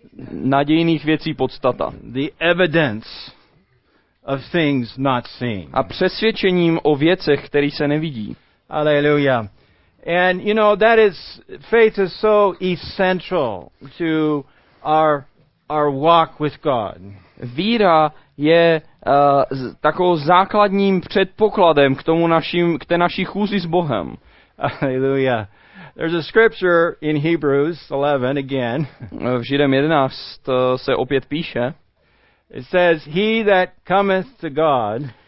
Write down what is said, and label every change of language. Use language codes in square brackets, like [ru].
[cs] nadějných věcí podstata. [en] The evidence of things not seen. [cs] A přesvědčením o věcech, které se nevidí. Alleluja. [en] And you know that is faith is so essential to our walk with God. [cs] Víra je takovým základním předpokladem k tomu našim, k té naší chůzi s Bohem. [en] Alleluja. There's a scripture in Hebrews 11 again. [cs] V Židem 11 se opět píše. [en] It says he that cometh to God,